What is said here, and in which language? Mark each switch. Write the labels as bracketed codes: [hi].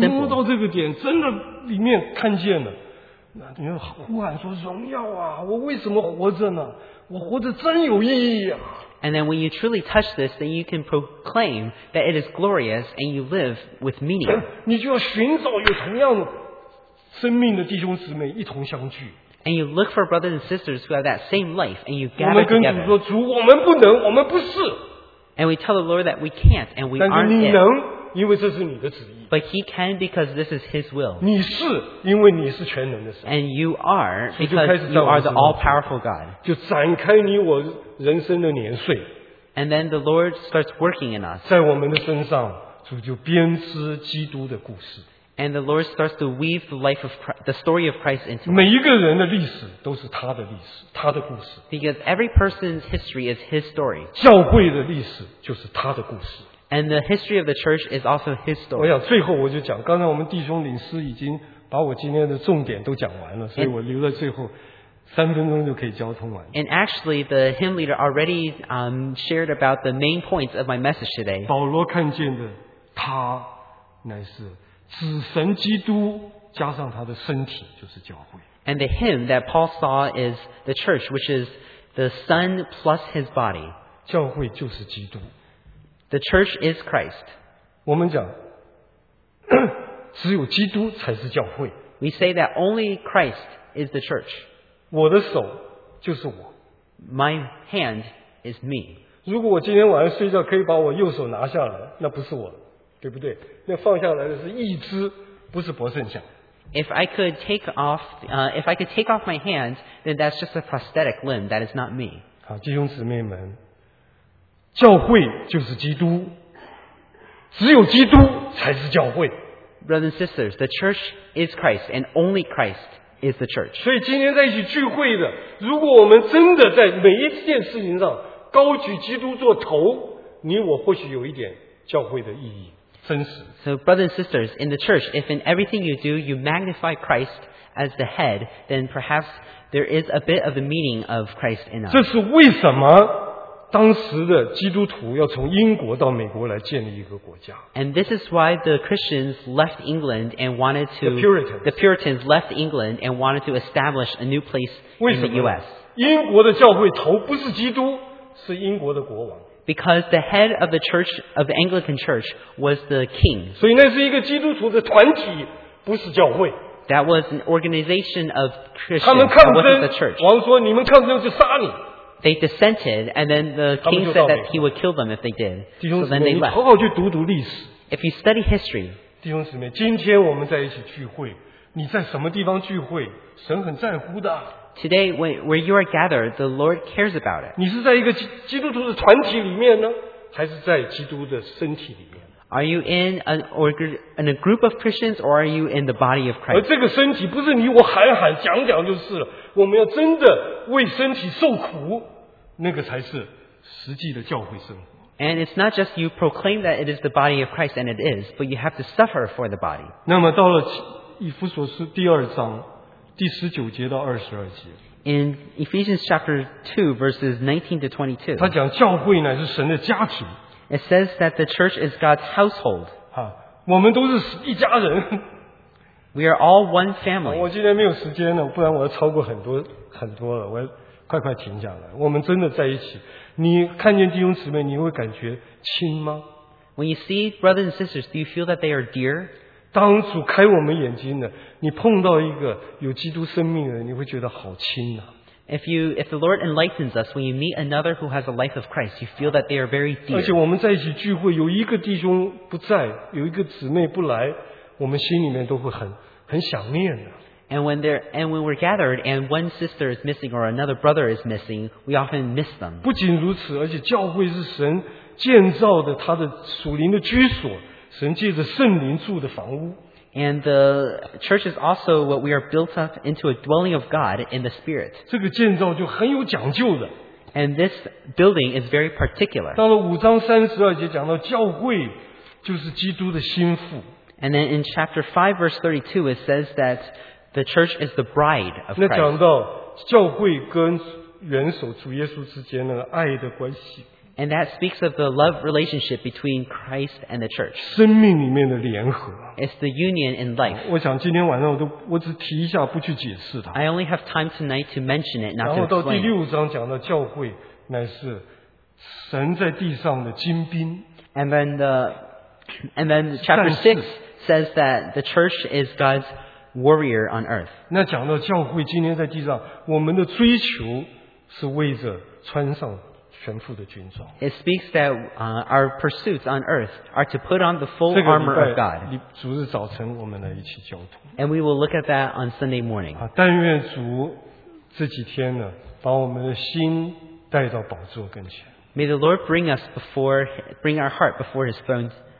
[zh] 当你摸到这个点，真的里面看见了，那你呼喊说荣耀啊！我为什么活着呢？我活着真有意义啊！ [en] And then when you truly touch this, then you can proclaim that it is glorious and you live with meaning. [zh] 你就要寻找有同样生命的弟兄姊妹一同相聚。 [en] And you look for brothers and sisters who have that same life and you gather together. [zh] 我们跟主说，主，我们不能，我们不是。 [en] And we tell the Lord that we can't and we aren't. [zh] 但是你能，因为这是你的旨意。 [en] But he can because this is his will. [zh] 你是，因为你是全能的神。 [en] And you are because you are the all-powerful God. [zh] 就展开你我人生的年岁。 [en] And then the Lord starts working in us. [zh] 在我们的身上，主就编织基督的故事。 [en] And the Lord starts to weave the life of Christ, the story of Christ into it. [zh] 每一个人的历史都是他的历史，他的故事。 [en] Because every person's history is his story. [zh] 教会的历史就是他的故事。 [en] And the history of the church is also his story. [zh] 我想最后我就讲，刚才我们弟兄领事已经把我今天的重点都讲完了，所以我留了最后三分钟就可以交通完。 [en] And actually, the hymn leader already shared about the main points of my message today. [zh] 保罗看见的他乃是。子神基督加上他的身体就是教会。 [en] And the hymn that Paul saw is the church, which is the Son plus his body. [zh] 教会就是基督。 [en] The church is Christ. [zh] 我们讲，只有基督才是教会。 [en] We say that only Christ is the church. [zh] 我的手就是我。 [en] My hand is me. [zh] 如果我今天晚上睡觉可以把我右手拿下来，那不是我。对不对？那放下来的是义肢，不是博圣像。 [en] If I could take off, if I could take off my hand, then that's just a prosthetic limb. That is not me. [zh] 好，弟兄姊妹们，教会就是基督，只有基督才是教会。 [en] Brothers and sisters, the church is Christ, and only Christ is the church. [zh] 所以今天在一起聚会的，如果我们真的在每一件事情上高举基督做头，你我或许有一点教会的意义。 [en] So, brothers and sisters, in the church, if in everything you do you magnify Christ as the head, then perhaps there is a bit of the meaning of Christ in us. [zh] 这是为什么当时的基督徒要从英国到美国来建立一个国家。 [en] And this is why the Christians left England and wanted to the Puritans left England and wanted to establish a new place in the U.S. [zh] 英国的教会头不是基督，是英国的国王。 [en] Because the head of the church of the Anglican Church was the king. [zh] 所以那是一个基督徒的团体，不是教会。 [en] That was an organization of Christians. [zh] 他们抗争 [en] the church. [zh] 王说你们抗争就杀你。 [en] They dissented, and then the king said that he would kill them if they did. [zh] 弟兄姊妹， [en] so then they left. [zh] 你好好去读读历史。 [en] If you study history. [zh] 弟兄姊妹，今天我们在一起聚会，你在什么地方聚会，神很在乎的。 [en] Today, where you are gathered, the Lord cares about it. [zh] 你是在一个基督徒的团体里面呢，还是在基督的身体里面？ [en] Are you in a group of Christians, or are you in the body of Christ? [zh] 而这个身体不是你我喊喊讲讲就是了，我们要真的为身体受苦，那个才是实际的教会生活。 [en] And it's not just you proclaim that it is the body of Christ, and it is, but you have to suffer for the body. [zh] 那么到了以弗所书第二章。第十九节到二十二节。 [en] In Ephesians chapter 2, verses 19 to 22, [zh] 他讲教会乃是神的家庭。 [en] It says that the church is God's household. [zh] 啊，我们都是一家人。 [en] We are all one family. [zh] 我今天没有时间了，不然我要超过很多很多了，我要快快停下来。我们真的在一起，你看见弟兄姊妹，你会感觉亲吗 [en] ？When you see brothers and sisters, do you feel that they are dear? [zh] 当主开我们眼睛的。你碰到一个有基督生命的人，你会觉得好亲呐、啊。 [en] If the Lord enlightens us, when you meet another who has a life of Christ, you feel that they are very dear. [zh] 而且我们在一起聚会，有一个弟兄不在，有一个姊妹不来，我们心里面都会很想念的。 [en] And when we're gathered and one sister is missing or another brother is missing, we often miss them. [zh] 不仅如此，而且教会是神建造的，他的属灵的居所，神借着圣灵住的房屋。 [en] And the church is also what we are built up into a dwelling of God in the Spirit. [zh] 这个建造就很有讲究的。 [en] And this building is very particular. [zh] 到了五章三十二节讲到教会就是基督的心腹。 [en] And then in chapter 5 verse 32 it says that the church is the bride of Christ. [zh] 那讲到教会跟元首主耶稣之间的爱的关系。 [en] And that speaks of the love relationship between Christ and the church. [zh] 生命里面的联合。 [en] It's the union in life. [zh] 我想今天晚上我只提一下，不去解释它。 [en] I only have time tonight to mention it, not to explain. [zh] 然后到第六章讲到教会乃是神在地上的精兵。 [en] And then chapter 6 says that the church is God's warrior on earth. [zh] 那讲到教会今天在地上，我们的追求是为着穿上。 [en] It speaks that our pursuits on earth are to put on the full armor of God. [zh] 主日早晨我们来一起交通。 [en] And we will look at that on Sunday morning. [zh] 但愿主这几天呢，把我们的心带到宝座跟前。 [en] May the Lord bring our heart before His throne.